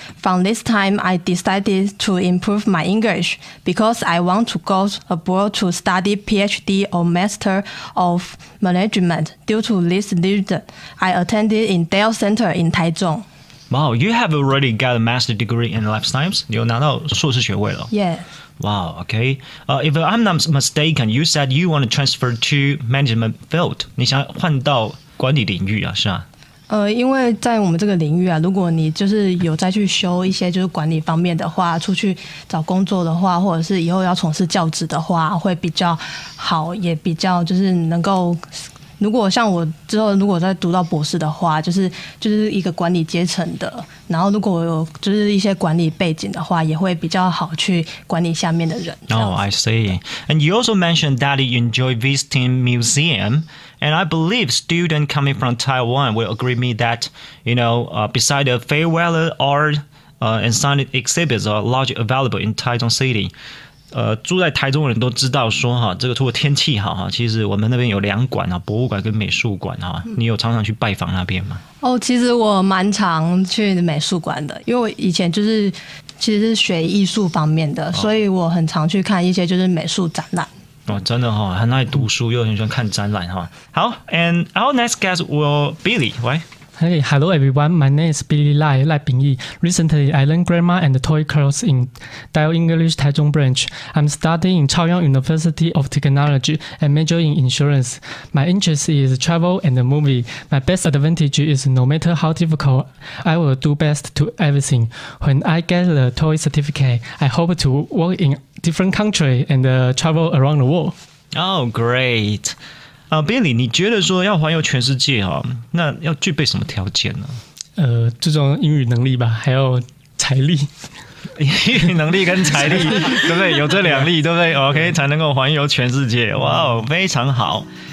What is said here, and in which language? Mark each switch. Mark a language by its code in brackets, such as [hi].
[en] From this time, I decided. To improve my English, because I want to go abroad to study PhD or Master of Management. Due to this reason, I attended in Dell Center in Taichung. Wow, you have already got a master's degree in life science. [zh] 你有拿到硕士学位了。 [en] Yeah. Wow, okay. If I'm not mistaken, you said you want to transfer to management field. [zh] 你想换到管理领域啊，是吧？因为在我们这个领域啊，如果你就是有再去修一些就是管理方面的话，出去找工作的话，或者是以后要从事教职的话，会比较好，也比较就是能够，如果像我之后如果再读到博士的话，就是一个管理阶层的，然后如果有就是一些管理背景的话，也会比较好去管理下面的人。 [en] Oh, I see. And you also mentioned that you enjoy visiting museum. And I believe students coming from Taiwan will agree with me that, you know, beside the farewell art and signed exhibits are largely available in Taichung City. [zh] 住在台中的人都知道说哈，这个如果天气好哈，其实我们那边有两馆啊，博物馆跟美术馆啊，你有常常去拜访那边吗？哦，其实我蛮常去美术馆的，因为我以前就是其实是学艺术方面的，所以我很常去看一些就是美术展览。哦，真的哈，很爱读书，又很喜欢看展览哈。 [en] 好 ，and our next guest will Billy, right? Hey, hello everyone. My name is Billy Lai, Lai Bingyi. Recently, I learned grammar and TOEIC class in Dell English Taichung branch. I'm studying in Chaoyang University of Technology and majoring in insurance. My interest is travel and the movie. My best advantage is no matter how difficult, I will do best to everything. When I get the TOEIC certificate, I hope to work in. Different country and travel around the world. Oh, great. [zh] Billy, 你觉得说要环游全世界哦，那要具备什么条件呢？注重英语能力吧，还有财力。英语能力跟财力，对不对？有这两力，对不对 ？OK， 才能够环游全世界。哇、wow, 非常好。